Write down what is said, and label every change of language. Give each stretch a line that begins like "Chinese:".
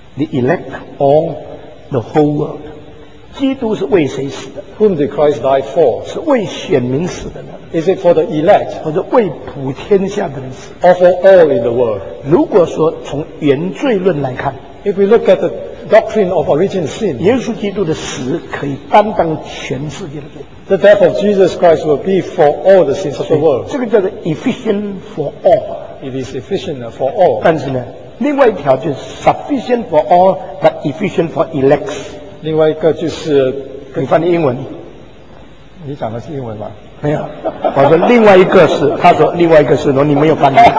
English: The elect or the whole world?
Chinese: 基督是为谁死的？
English: Whom did Christ die for?
Chinese: 是为选民死的呢？
English: Is it for the elect?
Chinese: 或者为普天下的人死？
English: Or for all in the world?
Chinese: 如果说从原罪论来看，
English: If we look at the doctrine of origin sin,
Chinese: 耶稣基督的死可以担当全世界的罪。
English: The death of Jesus Christ will be for all the sins of the world.
Chinese: 这个叫做
English: efficient for all. It is efficient for all.
Chinese: 但是呢，另外一条就是
English: sufficient for all, but efficient for elects.
Chinese: 另外一个就是你翻译英文。你讲的是英文吧？没有，我说另外一个是，他说另外一个是，你没有翻译。